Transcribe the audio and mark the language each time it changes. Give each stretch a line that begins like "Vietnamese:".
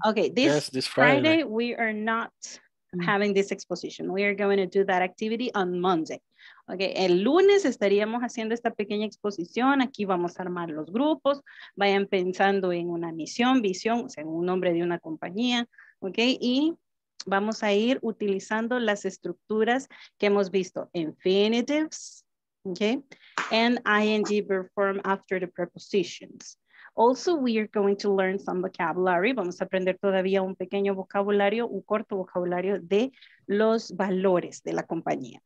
English: Okay, this Friday, we are not having this exposition. We are going to do that activity on Monday.
Spanish: Okay, el lunes estaríamos haciendo esta pequeña exposición. Aquí vamos a armar los grupos. Vayan pensando en una misión, visión, o sea, un nombre de una compañía. Okay, y vamos a ir utilizando las estructuras que hemos visto.
English: Infinitives, okay, and ing verb form after the prepositions. Also, we are going to learn some vocabulary.
Spanish: Vamos a aprender todavía un pequeño vocabulario, un corto vocabulario de los valores de la compañía.